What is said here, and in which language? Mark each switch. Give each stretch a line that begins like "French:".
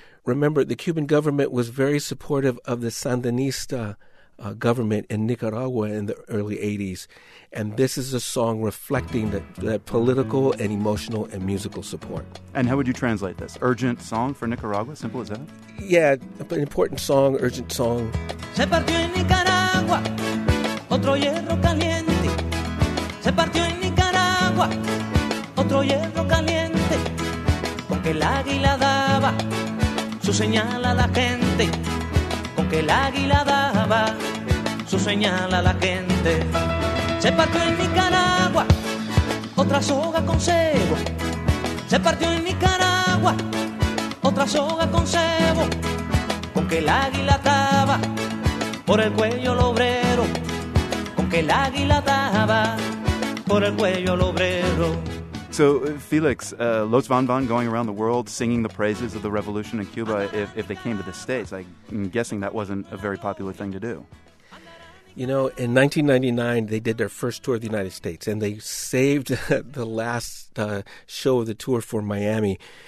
English: Remember, the Cuban government was very supportive of the Sandinista government in Nicaragua in the early 80s. And this is a song reflecting that political and emotional and musical support. And how would you translate this? Urgent song for Nicaragua? Simple as that? Yeah, an important song, urgent song.
Spanish: Se partió en Nicaragua, otro hierro caliente. Se partió en Nicaragua, otro hierro caliente. Porque el águila daba su señal a la gente, con que el águila daba su señal a la gente. Se partió en Nicaragua otra soga con cebo. Se partió en Nicaragua otra soga con cebo, con que el águila daba por el cuello al obrero. Con que el águila daba por el cuello al obrero.
English: So, Felix, Los Van Van going around the world singing the praises of the revolution in Cuba, if they came to the States, I'm guessing that wasn't a very popular thing to do. You know, in 1999, they did their first tour of the United States, and they saved the last show of the tour for Miami.